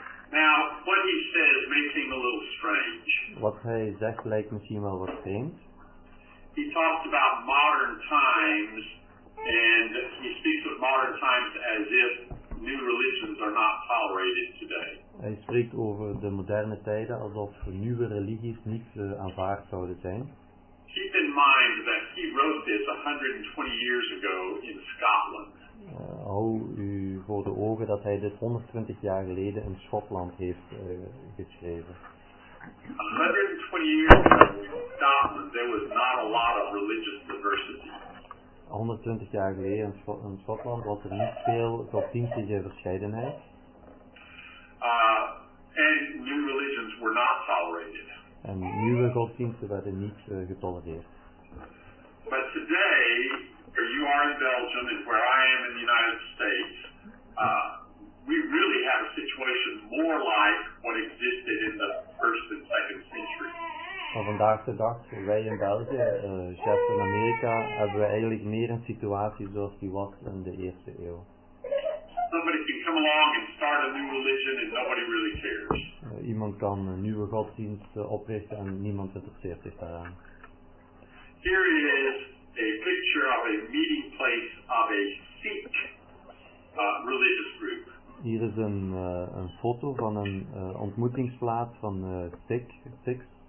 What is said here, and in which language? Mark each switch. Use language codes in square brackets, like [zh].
[en] Now, what he says may seem a little strange. [nl] Wat hij zegt lijkt misschien wel wat vreemd. [en] He talks about modern times, and he speaks of modern times as if new religions are not tolerated today. [nl] Hij spreekt over de moderne tijden alsof nieuwe religies niet aanvaard zouden zijn. [en] Keep in mind that he wrote this 120 years ago in Scotland. [nl] Hou u voor de ogen dat hij dit 120 jaar geleden in Schotland heeft geschreven. [en] 120 years ago in Scotland there was not a lot of religious diversity. [nl] 120 jaar geleden in Schotland was er niet veel godsdienstige verscheidenheid. [en] And new religions were not tolerated. [nl] En nieuwe godsdiensten werden niet getolereerd. [en] But today, where you are in Belgium and where I am in the United States, we really have a situation more like what existed in the first and second century. [nl] Maar vandaag de dag, wij in België, zelfs in Amerika, hebben we eigenlijk meer een situatie zoals die was in de eerste eeuw. [en] Somebody can come along and start a new religion and nobody really cares. [nl] Iemand kan een nieuwe godsdienst oprichten en niemand interesseert zich daaraan. [en] Here is a picture of a meeting place of a Sikh religious group. [nl] Hier is een foto van een ontmoetingsplaats van Sikhs.